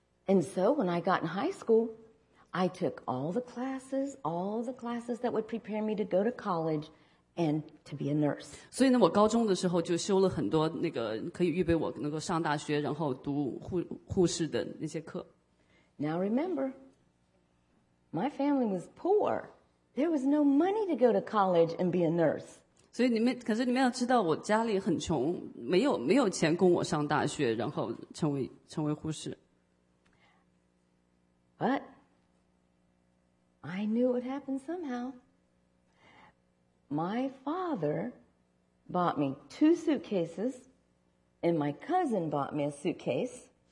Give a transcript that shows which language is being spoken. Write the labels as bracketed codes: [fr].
[en] And so when I got in high school, I took all the classes that would prepare me to go to college and to be a nurse. [zh] 所以呢，我高中的时候就修了很多那个可以预备我能够上大学，然后读护士的那些课。 [en] Now remember, my family was poor. There was no money to go to college and be a nurse. [zh] 所以你们，可是你们要知道，我家里很穷，没有钱供我上大学，然后成为护士。 [en] But I knew it would happen somehow. My father bought me two suitcases, and my cousin bought me a suitcase.